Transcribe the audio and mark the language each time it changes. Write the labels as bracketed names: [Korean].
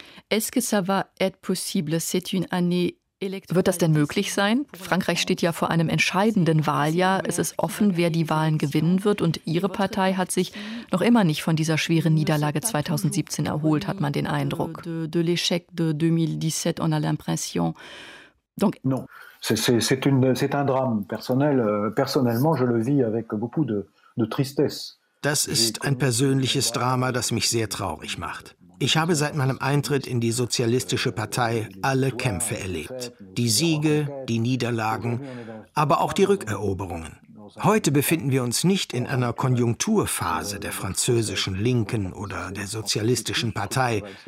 [French] Est-ce que ça va être possible? C'est une année. [German] Wird das denn möglich sein? Frankreich steht ja vor einem entscheidenden Wahljahr. Es ist offen, wer die Wahlen gewinnen wird. Und Ihre Partei hat sich noch immer nicht von dieser schweren Niederlage 2017 erholt, hat man den Eindruck. [French] De l'échec de 2017, on a l'impression. Donc. Non, c'est un drame personnel. Personnellement, je le vis avec beaucoup de tristesse. [German] Das ist ein persönliches Drama, das mich sehr traurig macht. Ich habe seit meinem Eintritt in die Sozialistische Partei alle Kämpfe erlebt. Die Siege, die Niederlagen, aber auch die Rückeroberungen. Heute befinden wir uns nicht in einer Konjunkturphase der französischen Linken oder der Sozialistischen Partei.